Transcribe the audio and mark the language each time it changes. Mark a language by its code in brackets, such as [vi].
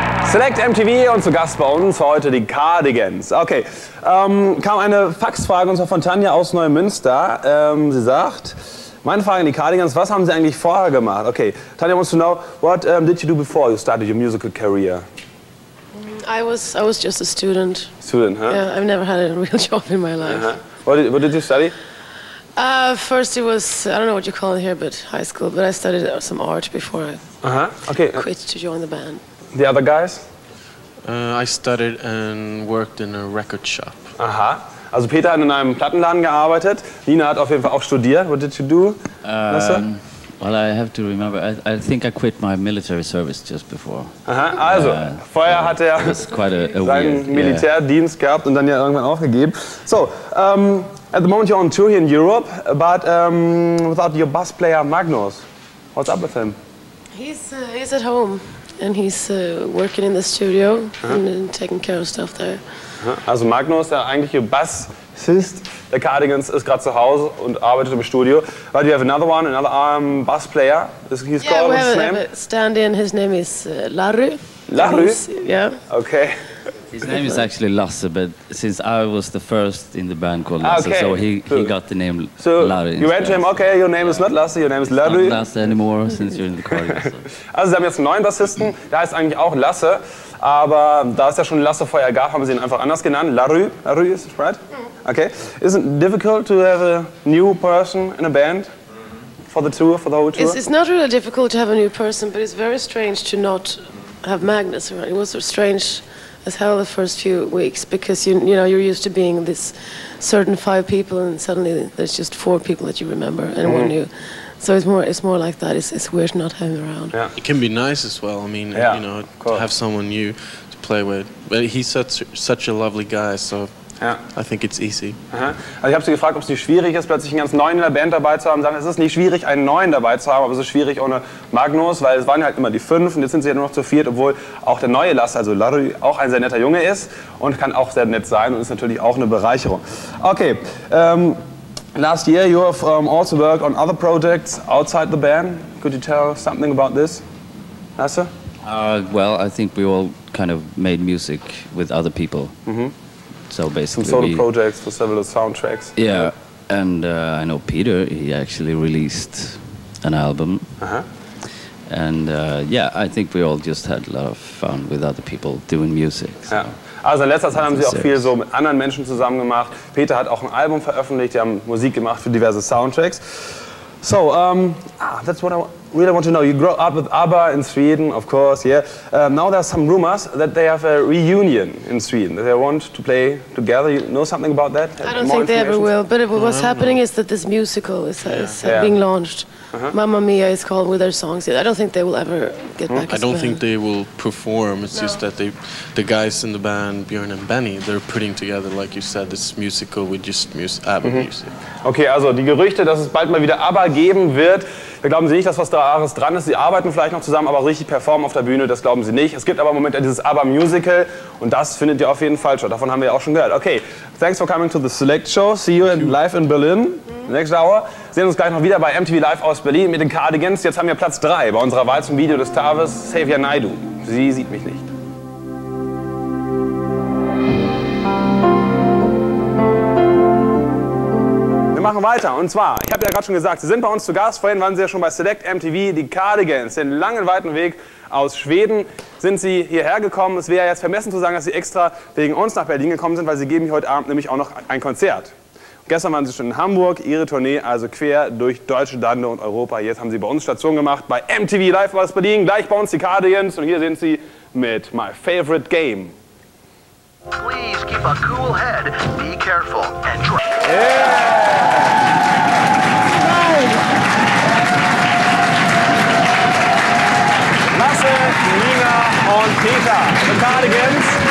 [de] Select MTV und zu Gast bei uns heute die Cardigans. Okay, kam eine Faxfrage und zwar von Tanja aus Neumünster. Sie sagt, meine Frage an die Cardigans, was haben Sie eigentlich vorher gemacht? [en] Okay, Tanja wants to know, what did you do before you started your musical career? I was just a student. Student, huh? Yeah, I've never had a real job in my life. Uh-huh. What did you study? First it was, I don't know what you call it here, but high school, but I studied some art before I quit to join the band. The other guys? I studied and worked in a record shop. [de] Aha. Also Peter hat in einem Plattenladen gearbeitet. Nina hat auf jeden Fall auch studiert. [en] What did you do, Lasse? Well, I have to remember. I think I quit my military service just before. Aha. [de] Also, vorher hat er seinen Militärdienst gehabt und dann ja irgendwann aufgegeben. [en] So, at the moment you're on tour here in Europe, but without your bass player Magnus. What's up with him? He's at home. And he's working in the studio and taking care of stuff there. [de] Also Magnus, der eigentliche Bassist der Cardigans, ist gerade zu Hause und arbeitet im Studio. [en] But you have another bass player. He's called his name. Stand-in. His name is Larry. Larry. Yeah. Okay. His name is actually Lasse, but since I was the first in the band called Lasse, so he got the name so Larry. You went to him, okay, your name is not Lasse, your name is Larry. Not Lasse anymore, since you're in the choir. [de] Also, Sie haben jetzt einen neuen Bassisten, der heißt eigentlich auch Lasse, aber da es ja schon Lasse vorher gab, haben Sie ihn einfach anders genannt. [en] Larry, is it right? Okay. Is it difficult to have a new person in a band for the tour, for the whole tour? It's not really difficult to have a new person, but it's very strange to not have magnets around. It was strange as hell the first few weeks because you know you're used to being this certain five people and suddenly there's just four people that you remember and mm-hmm. one you. So it's more like that. It's weird not having around. Yeah. It can be nice as well. I mean, yeah, you know, cool. to have someone new to play with. But he's such a lovely guy, so yeah. I think it's easy. Uh-huh. [de] Also ich habe sie gefragt, ob es nicht schwierig ist, plötzlich einen ganz Neuen in der Band dabei zu haben. Sie sagen, es ist nicht schwierig, einen Neuen dabei zu haben, aber es ist schwierig ohne Magnus, weil es waren halt immer die fünf und jetzt sind sie ja nur noch zu viert, obwohl auch der neue Lasse, also Larry, auch ein sehr netter Junge ist und kann auch sehr nett sein und ist natürlich auch eine Bereicherung. Okay. [en] Last year, you have also worked on other projects outside the band. Could you tell something about this, Lasse? Well, I think we all kind of made music with other people. Mm-hmm. So basically, some solo projects for several soundtracks. Yeah, and I know Peter. He actually released an album. Uh-huh. And yeah, I think we all just had a lot of fun with other people doing music. So. Yeah. [de] Also in letzter Zeit haben sie auch viel so mit anderen Menschen zusammen gemacht. Peter hat auch ein Album veröffentlicht, die haben Musik gemacht für diverse Soundtracks. [en] So, that's what I really want to know. You grew up with ABBA in Sweden, of course, yeah. Now there are some rumors that they have a reunion in Sweden, that they want to play together. You know something about that? I don't think they ever will, but what's happening is that this musical is being launched. Uh-huh. Mamma Mia is called with their songs. I don't think they will ever get back. I don't think they will perform. It's just that the guys in the band, Björn and Benny, they're putting together, like you said, this musical with just ABBA mm-hmm. music. [de] Okay, also die Gerüchte, dass es bald mal wieder ABBA geben wird, da glauben Sie nicht, dass was da dran ist. Sie arbeiten vielleicht noch zusammen, aber richtig performen auf der Bühne, das glauben Sie nicht. Es gibt aber im Moment dieses ABBA Musical und das findet ihr auf jeden Fall schon. Davon haben wir ja auch schon gehört. [en] Okay, thanks for coming to the Select Show. See you live in Berlin. Next hour. [de] Sehen uns gleich noch wieder bei MTV Live aus Berlin mit den Cardigans. Jetzt haben wir Platz 3 bei unserer Wahl zum Video des Tages. Xavier Naidoo. Sie sieht mich nicht. Wir machen weiter. Und zwar, ich habe ja gerade schon gesagt, Sie sind bei uns zu Gast. Vorhin waren Sie ja schon bei Select MTV. Die Cardigans, den langen, weiten Weg aus Schweden, sind Sie hierher gekommen. Es wäre jetzt vermessen zu sagen, dass Sie extra wegen uns nach Berlin gekommen sind, weil Sie geben hier heute Abend nämlich auch noch ein Konzert. Gestern waren Sie schon in Hamburg, Ihre Tournee also quer durch Deutschland und Europa. Jetzt haben Sie bei uns Station gemacht, bei MTV Live aus Berlin, gleich bei uns die Cardigans. Und hier sind Sie mit My Favorite Game. [en] Please keep a cool head, be careful and try. Yeah! [de] Lasse, Nina und Peter, the Cardigans.